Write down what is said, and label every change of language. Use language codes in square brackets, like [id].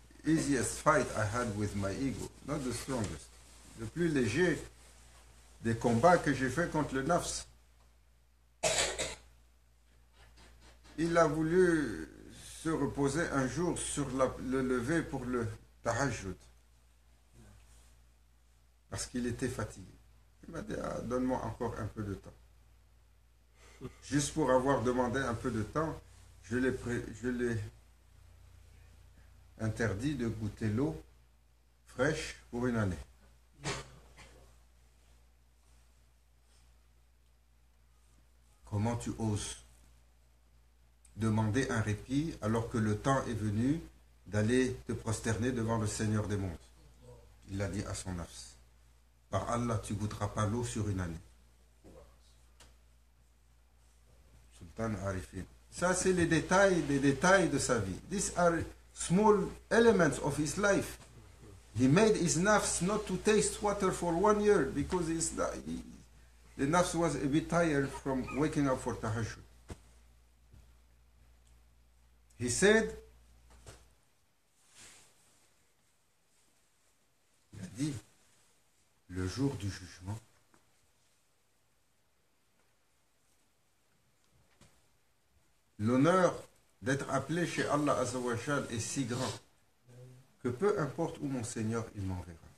[en] easiest fight I had with my ego, not the strongest. [fr] Le plus léger des combats que j'ai fait contre le nafs. Il a voulu se reposer un jour sur le lever pour le tahajjud. Parce qu'il était fatigué. Il m'a dit, ah, donne-moi encore un peu de temps. Juste pour avoir demandé un peu de temps, je l'ai interdit de goûter l'eau fraîche pour une année. Comment tu oses demander un répit alors que le temps est venu d'aller te prosterner devant le Seigneur des mondes? Il l'a dit à son nafs. Par Allah, tu ne goûteras pas l'eau sur une année. Sultan Arifin. Ça, c'est les détails des détails de sa vie. [en] These are small elements of his life. He made his nafs not to taste water for 1 year because the nafs was a bit tired from waking up for tahajjud. He said, [fr] il a dit, le jour du jugement, l'honneur d'être appelé chez Allah Azawajal est si grand que peu importe où mon Seigneur il m'enverra.